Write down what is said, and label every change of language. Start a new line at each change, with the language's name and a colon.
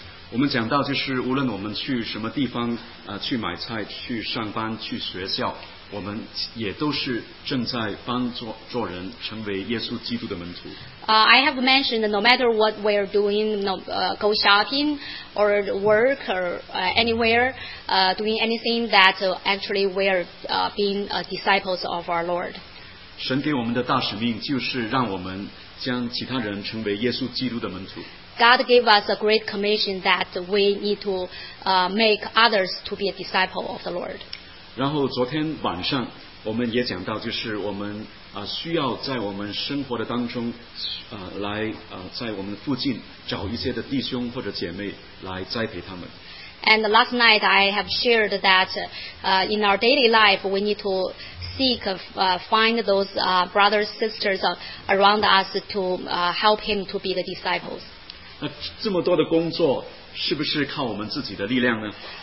Chinese: 我们讲到就是无论我们去什么地方，去买菜、去上班、去学校，我们也都是正在帮助做人，成为耶稣基督的门徒。
English: I have mentioned no matter what we are doing, go shopping or work or anywhere, doing anything that actually we are being disciples of our Lord.
Chinese: 神给我们的大使命就是让我们将其他人成为耶稣基督的门徒。
English: God gave us a great commission that we need to make others to be a disciple of the Lord.
Chinese: 然后昨天晚上我们也讲到，就是我们需要在我们生活的当中来在我们附近找一些的弟兄或者姐妹来栽培他们。
English: And last night I have shared that in our daily life we need to seek find those brothers sisters around us to help him to be the disciples.
Chinese: 那这么多的工作是不是靠我们自己的力量呢？